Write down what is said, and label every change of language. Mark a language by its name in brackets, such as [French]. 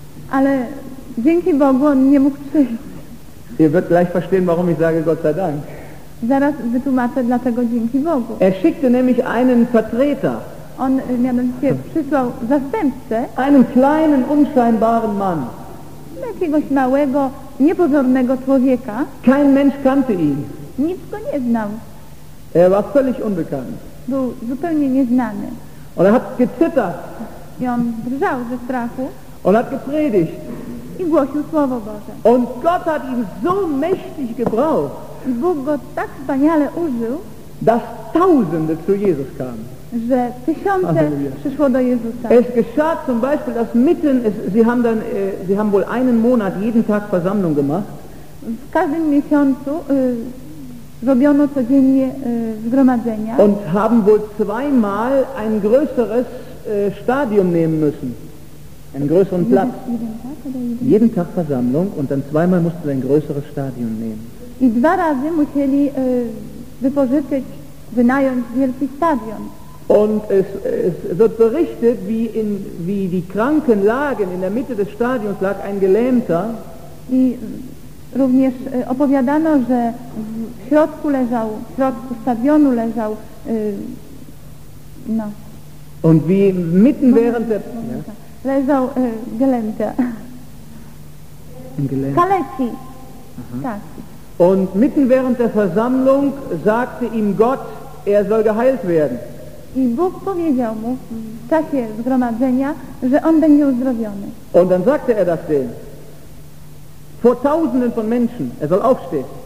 [Polish] Ale dzięki Bogu on nie mógł przyjść. [German] Ihr wird gleich verstehen, warum ich sage Gott sei Dank. [Polish] Zaraz wytłumaczę, dlatego dzięki Bogu. [German] Schickte nämlich einen Vertreter. [Polish] On mianowicie przysłał zastępcę. [German] Einen kleinen, unscheinbaren Mann. [Polish] Jakiegoś małego, niepozornego człowieka. [German] Kein Mensch kannte ihn. [Polish] Nic go nie znał. [German] War völlig unbekannt. [Polish] Był zupełnie nieznany. [German] Und hat gezittert. [Polish] I on drżał ze strachu. [German] Und hat gepredigt. [Polish] I głosił Słowo Boże. [German] Und Gott hat ihn so mächtig gebraucht. [Polish] I Bóg go tak wspaniale użył, [German] dass Tausende zu Jesus kamen. [Polish] Że tysiące przyszło do Jezusa. [German] Es geschah zum Beispiel, dass mitten, sie haben wohl einen Monat jeden Tag Versammlung gemacht. [Polish] W każdym miesiącu robiono codziennie zgromadzenia. [German] Und haben wohl zweimal ein größeres Stadion nehmen müssen. Einen größeren Platz. Jeden Tag Versammlung und dann zweimal musste ein größeres Stadion nehmen. [Polish] I dwa razy musieli wypożyczyć, wynająć wielki stadion. [German] Und es wird berichtet, wie die Kranken lagen. In der Mitte des Stadions lag ein Gelähmter. [Polish] I również opowiadano, że w środku stadionu leżał no. [German] Und wie mitten während der [Polish] leżał gelenta. Kaleci. Tak. [German] Und mitten während der Versammlung sagte ihm Gott, er soll geheilt werden. [Polish] I Bóg powiedział mu w czasie zgromadzenia, że on będzie uzdrowiony. [German] Und dann sagte er das denen. Vor tausenden von Menschen, er soll aufstehen.